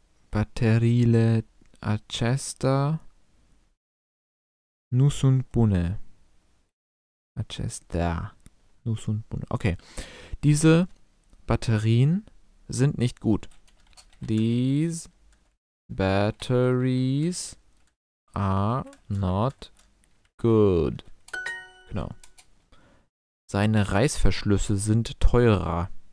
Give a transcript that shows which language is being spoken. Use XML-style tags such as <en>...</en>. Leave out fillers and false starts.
<ro>Bateriile acestea nu sunt bune. Acestea nu sunt bune. Okay.</ro> <de>Diese Batterien sind nicht gut.</de> <en>These batteries are not good.</en> <de>Genau. Seine Reißverschlüsse sind teurer.</de>